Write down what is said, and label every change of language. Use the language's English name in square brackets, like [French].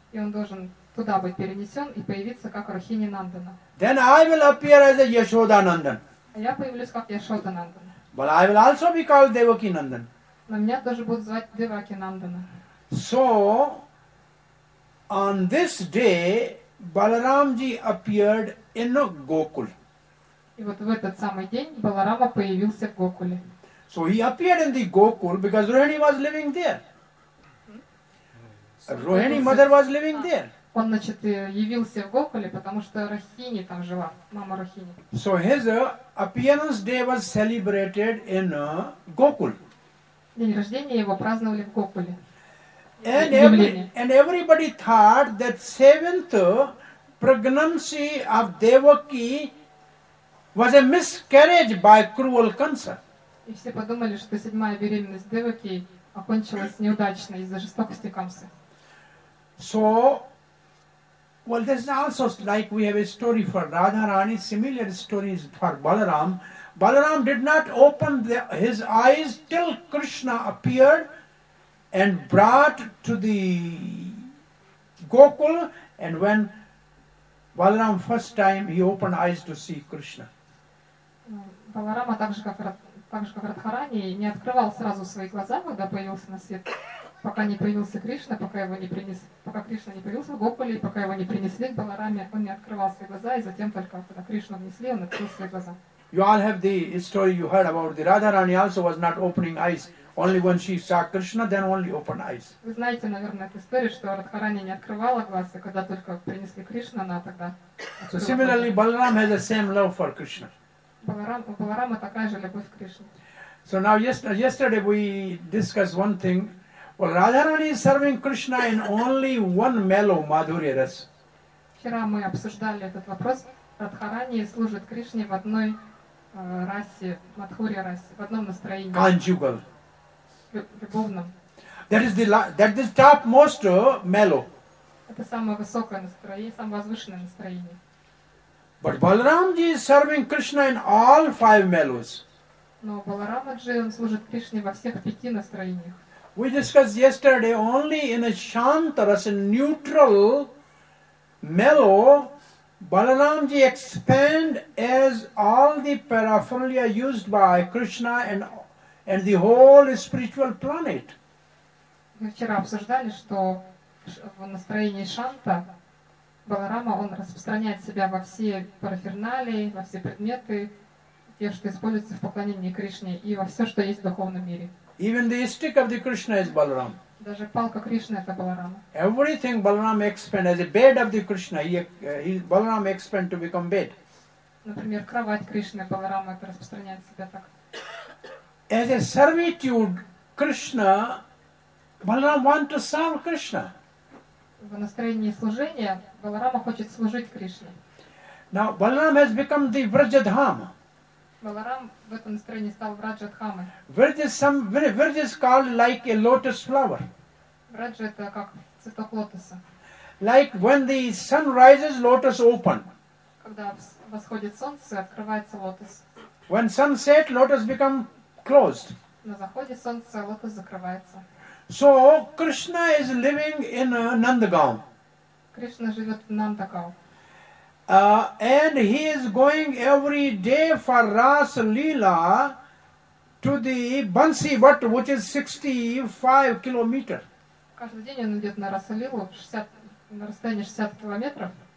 [Russian] И он должен туда быть перенесен и появиться как Рохини Нандана. [English] Then I will appear as a Yashoda Nandan. [Russian] А я появлюсь как Яшода Нандана. [English] But I will also be called Devaki Nandan. [Russian] Но меня тоже будут звать Деваки Нандана. [English] So, on this day, Balaramji appeared in Gokul. [Russian] И вот в этот самый день Баларама появился в Гокуле. [English] So he appeared in the Gokul because Rohini was living there. Rohini mother was living there. [Russian] Он, значит, явился в Гокуле, потому что Рохини там жила, мама Рохини. [English] So his appearance day was celebrated in Gokul. [Russian] День рождения его праздновали в Гокуле. [English] And everybody thought that seventh pregnancy of Devaki was a miscarriage by cruel cancer. [Russian] И все подумали, что седьмая беременность Деваки окончилась неудачно из-за жестокости Камсы. [English] So, well, this is also like we have a story for Radharani, similar stories for Balaram. Balaram did not open his eyes till Krishna appeared and brought to the Gokul, and when Balaram first time he opened eyes to see Krishna. [Russian] Баларама, так же как Радхарани, не открывал сразу свои глаза, когда появился на свет, пока не появился Кришна, пока Кришна не появился в Гокуле, пока его не принесли к Балараме, он не открывал свои глаза, и затем только когда Кришну внесли, он открыл свои глаза. [English] You all have the story you heard about the Radharani also was not opening eyes. Only when she saw Krishna, then only opened eyes. [Russian] Вы знаете, наверное, эту историю, что Радхарани не открывала глаз, и когда только принесли Кришну, она тогда... [English] So similarly, Balaram has the same love for Krishna. [Russian] Баларама такая же любовь к Кришне. [English] So now, yesterday we discussed one thing. Well, Radharani is serving Krishna in only one mellow Madhuri rasa. [Russian] Вчера мы обсуждали этот вопрос. Радхарани служит Кришне в одной расе, Мадхури расе, в одном настроении. [English] Conjugal. [Russian] Любовном. [English] That is topmost mellow. [Russian] Это самое высокое настроение, самое возвышенное настроение. [English] But Balaramji is serving Krishna in all five mellows. [Russian] Но Баларамаджи служит Кришне во всех пяти настроениях. [English] We discussed yesterday only in a shanta rasa, neutral, mellow, Balaramji expand as all the paraphernalia used by Krishna and the whole spiritual planet. [Russian] Мы вчера обсуждали, что в настроении шанта Баларама он распространяет себя во все параферналии, во все предметы, те, что используются в поклонении Кришне и во все, что есть в духовном мире. [English] Even the stick of the Krishna is Balaram. [Russian] Даже палка Кришны это Баларама. [English] Everything Balaram expands as a bed of the Krishna. He Balaram expands to become bed. [Russian] Например, кровать Кришны Баларама это распространяет себя так. [English] As a servitude Krishna, Balaram wants to serve Krishna. [Russian] В настроении служения Баларама хочет служить Кришне. [English] Now Balaram has become the Vrajadhama. [Russian] Баларам в этом настроении стал Враджа-дхамой. [English] Вриджа called like a lotus flower. [Russian] Враджа это как цветок лотоса. [English] Like when the sun rises, lotus open. [Russian] Когда восходит солнце, открывается лотос. [English] When sun set, lotus become closed. [Russian] На заходе солнца лотос закрывается. [English] So Krishna is living in Nandagaon. [Russian] Кришна живет в Нандагаон. [English] And he is going every day for Ras Leela to the Bansi Vat, which is 65 kilometers. [Russian] Каждый день он идет на Рас Лилу, на расстоянии 65 километров.